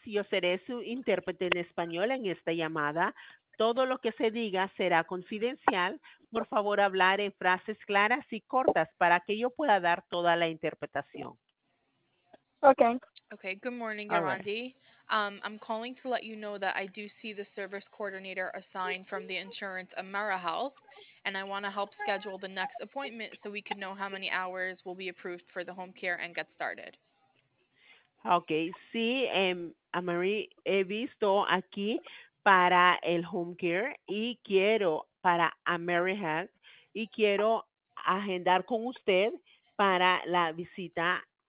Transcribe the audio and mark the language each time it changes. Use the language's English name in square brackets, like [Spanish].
[Spanish] Yo seré su intérprete en español en esta llamada. Todo lo que se diga será confidencial. Por favor, hablar en frases claras y cortas para que yo pueda dar toda la interpretación. [English] Okay. Okay, good morning, Garandi. I'm calling to let you know that I do see the service coordinator assigned from the insurance Amara Health, and I want to help schedule the next appointment so we can know how many hours will be approved for the home care and get started. [Spanish] Okay, sí, Amari, he visto aquí para el home care y quiero para AmeriHealth y quiero agendar con usted para la visita.